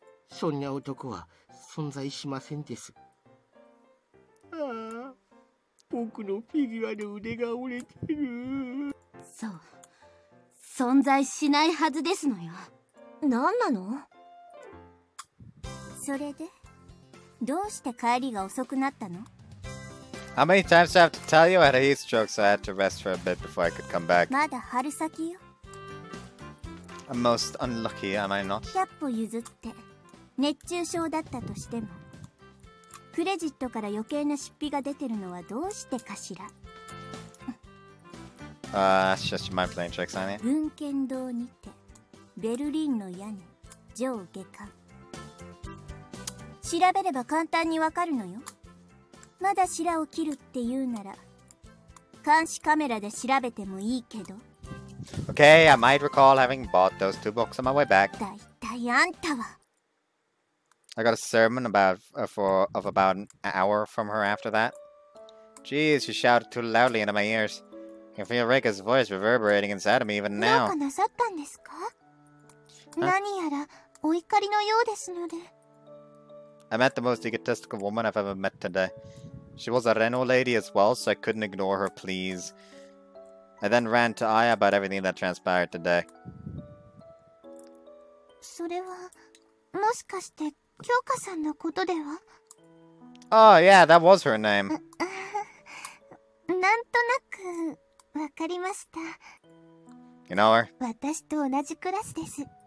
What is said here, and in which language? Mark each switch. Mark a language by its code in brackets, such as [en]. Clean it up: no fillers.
[ja] そんな男は存在しませんです。ああ、僕のフィギュアの腕が折れてる。そう、存在しないはずですのよ。何なの？それで？どうして帰りが遅くなったの？ [en] How many times do I have to tell you? I had a heat stroke, so I had to rest for a bit before I could come back. [ja] まだ春先よ。 [en] I'm most unlucky, am I not? [ja] 100歩譲って熱中症だったとしても、クレジットから余計な出費が出てるのはどうしてかしら。 [en] That's just my plane checks, honey. [ja] 文献堂にて、ベルリンの屋根、上下巻。調べれば簡単にわかるのよ。まだしらを切るって言うなら、監視カメラで調べてもいいけど。 [en] Okay, I might recall having bought those two books on my way back. [ja] だいたいあんたは。 [en] I got a sermon about, of about an hour from her after that. Jeez, she shouted too loudly into my ears. I feel Reika's voice reverberating inside of me even now. [ja] どうかなさったんですか？何やらお怒りのようですので。 [en] I met the most egotistical woman I've ever met today. She was a Renault lady as well, so I couldn't ignore her pleas. I then ran to Aya about everything that transpired today. [ja] それはもしかして京香さんのことでは？ [en] Oh yeah, that was her name. [ja] なんとなくわかりました。 [en] You know her? [ja] 私と同じクラスです。